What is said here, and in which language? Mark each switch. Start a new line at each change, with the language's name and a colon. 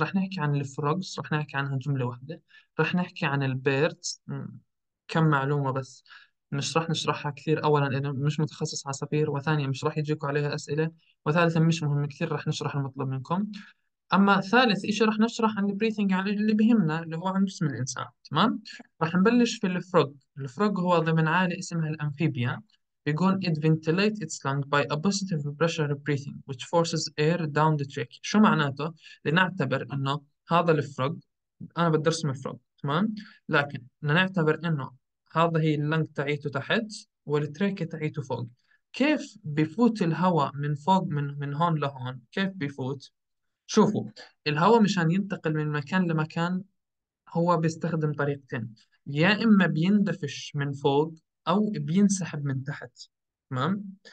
Arabic: راح نحكي عن ال frogs، راح نحكي عنها جملة واحدة، راح نحكي عن ال birds كم معلومة بس مش راح نشرحها كثير، اولا انه مش متخصص عصافير، وثانيا مش راح يجيكم عليها اسئله، وثالثا مش مهم كثير، راح نشرح المطلوب منكم. اما ثالث شيء راح نشرح عن البريثنج على اللي بهمنا اللي هو عن جسم الانسان، تمام؟ راح نبلش في الفروج. الفروج هو ضمن عائله اسمها الانفيبيا، بيقول
English: it ventilates its lung by a positive pressure breathing which forces air down the trachea.
Arabic: شو معناته؟ لنعتبر انه هذا الفروج، انا بدي ارسم الفروج، تمام؟ لكن نعتبر انه هذا هي اللنج تاعيته تحت والتريكة تاعيته فوق، كيف بفوت الهواء من فوق من هون لهون؟ كيف بفوت؟ شوفوا، الهواء مشان ينتقل من مكان لمكان هو بيستخدم طريقتين، يا إما بيندفش من فوق أو بينسحب من تحت، تمام؟